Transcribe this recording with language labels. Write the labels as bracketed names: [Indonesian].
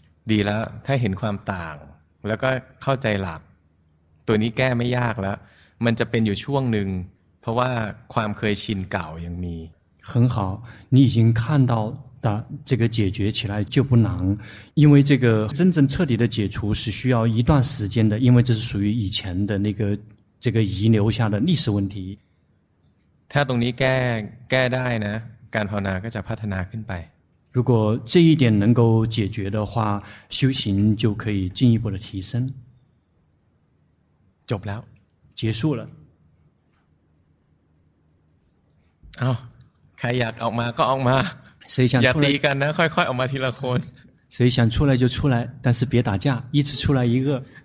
[Thai] ดีแล้วถ้าเห็นความต่างแล้วก็เข้าใจหลักตัวนี้แก้ไม่ยากแล้วมันจะเป็นอยู่ช่วงหนึ่งเพราะว่าความเคยชินเก่ายังมี [Chinese] 很好你已经看到的这个解决起来就不难因为这个真正彻底的解除是需要一段时间的因为这是属于以前的那个这个遗留下的历史问题 [Thai] ถ้าตรงนี้แก้ได้นะการภาวนาก็จะพัฒนาขึ้นไป [Chinese] 如果这一点能够解决的话修行就可以进一步的提升 [Thai] จบแล้ว [Chinese] 结束了 [Thai] ใครอยากออกมาก็ออกมา [Chinese] 谁想出来 [Thai] อย่าตีกันนะค่อยๆออกมาทีละคน [Chinese] 谁想出来就出来但是别打架一次出来一个